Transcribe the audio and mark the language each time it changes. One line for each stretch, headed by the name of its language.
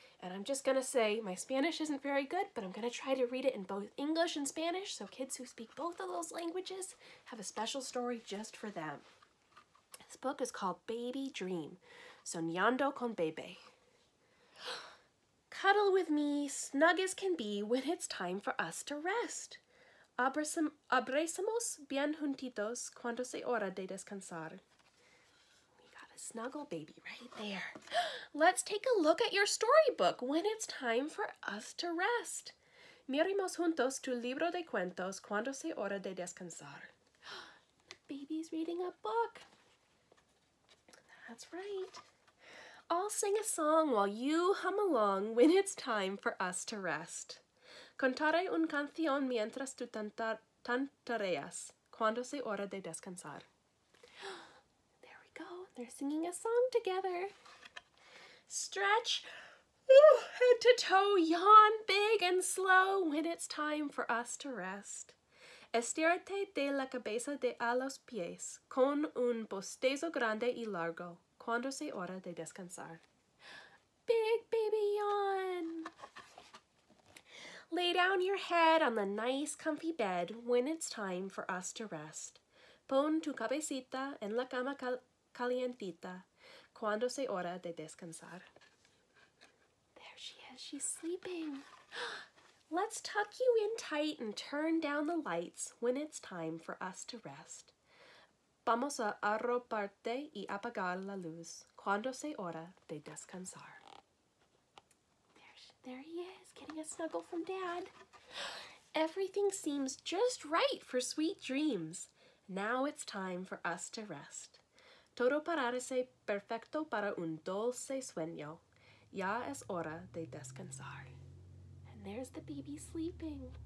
English: And I'm just gonna say, my Spanish isn't very good, but I'm gonna try to read it in both English and Spanish, so kids who speak both of those languages have a special story just for them. This book is called Baby Dream, Soñando con Bebé. Cuddle with me, snug as can be, when it's time for us to rest.
Spanish: Abrazamos bien juntitos cuando se hora de descansar.
English: Snuggle baby right there. Let's take a look at your storybook when it's time for us to rest.
Spanish: Miremos juntos tu libro de cuentos cuando sea hora de descansar.
English: The baby's reading a book. That's right. I'll sing a song while you hum along when it's time for us to rest.
Spanish: Contaré un canción mientras tú tantareas cuando sea hora de descansar.
English: There we go. They're singing a song together. Stretch. Head to toe, yawn big and slow when it's time for us to rest.
Spanish: Estirate de la cabeza de a los pies con un bostezo grande y largo cuando sea hora de descansar.
English: Big baby yawn. Lay down your head on the nice comfy bed when it's time for us to rest.
Spanish: Pon tu cabecita en la cama calientita cuando sea hora de descansar.
English: She's sleeping. Let's tuck you in tight and turn down the lights when it's time for us to rest.
Spanish: Vamos a arroparte y apagar la luz cuando sea hora de descansar.
English: There he is, getting a snuggle from Dad. Everything seems just right for sweet dreams. Now it's time for us to rest.
Spanish: Todo parece perfecto para un dulce sueño. Ya es hora de descansar.
English: And there's the baby sleeping.